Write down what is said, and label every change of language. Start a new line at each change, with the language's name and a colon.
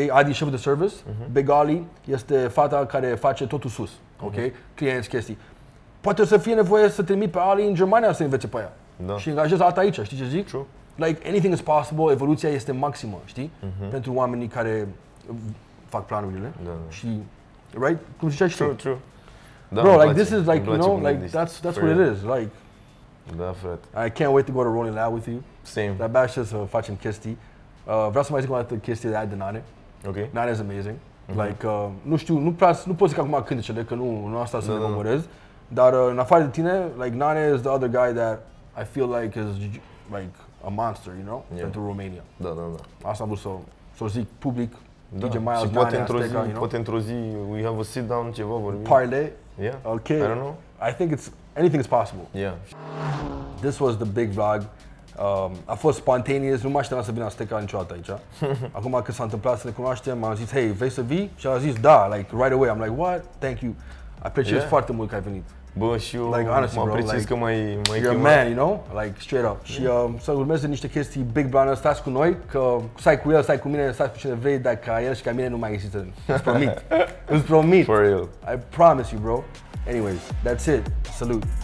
Romanian: Adi e șeful de service, Big Ali este fata care face totul sus, ok? Clienți, chestii. Poate să fie nevoie să trimit pe Ali în Germania să învețe pe aia. Da. Și angajez alta aici, știi ce zic?
English: True. Like, anything is possible,
Romanian: evoluția este maximă, știi? Mm-hmm. Pentru oamenii care fac planurile. Da, și, right? Cum ziceai și tu? True.
English: Bro, like, this is like, you know, like, that's what it is. Like,
Romanian: da, frate.
English: I can't wait to go to Rolling Loud with you. Same.
Romanian: Dar bașa să facem chestii. Vreau să mai zic o dată chestii de aia de Nane. Ok.
English: Nane is amazing. Mm-hmm.
Romanian: Like, nu știu, nu pot zic acum cântecele, că nu asta să ne memorez. Dar în afară de tine,
English: like, Nane is the other guy that I feel like is like a monster, you know,
Romanian: pentru Romania. Da, da, da. Asta am vrut să zic public, da. DJ Miles, și poate Nane, într-o Azteca, zi, you know? Poate într-o zi,
English: we have a sit down,
Romanian: ceva vorbim. Parle.
English: Yeah. Okay. I don't know. I think it's, anything is possible. Yeah. This was the big vlog.
Romanian: A fost spontaneous, nu mă așteptam să vin Azteca niciodată aici. Acum că s-a întâmplat să ne cunoaștem, m-am zis, hey, vrei să vii? Și a zis, da,
English: like, right away. I'm like, what? Thank you.
Romanian: Apreciez foarte mult că ai venit. Bă, și eu like, honestly, mă apreciez, like, că mai chemat.
English: You're a man, you know? Like, straight up.
Romanian: Și să urmeze niște chestii big brother, stați cu noi, că stai cu el, stai cu mine, stai cu cine vrei, dar ca el și ca mine nu mai există. Îți promit.
English: For real. I promise you, bro. Anyways, that's it. Salut.